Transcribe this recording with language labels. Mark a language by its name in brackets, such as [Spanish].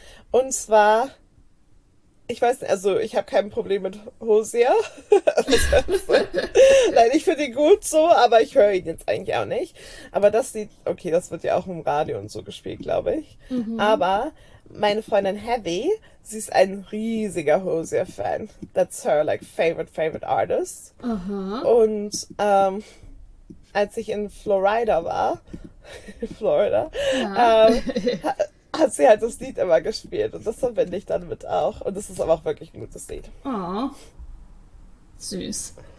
[German] Und zwar, ich weiß nicht, also ich habe kein Problem mit Hozier. Was für ein Sinn? Nein, ich finde ihn gut so, aber ich höre ihn jetzt eigentlich auch nicht. Aber das Lied, okay, das wird ja auch im Radio und so gespielt, glaube ich. Aber meine Freundin Heavy, sie ist ein riesiger Hozier-Fan. [English] That's her, like, favorite artist. [German] Und als ich in Florida war, Florida, hat sie halt das Lied immer gespielt. Und das verbinde ich dann mit auch. Und das ist aber auch wirklich ein gutes Lied. Süß.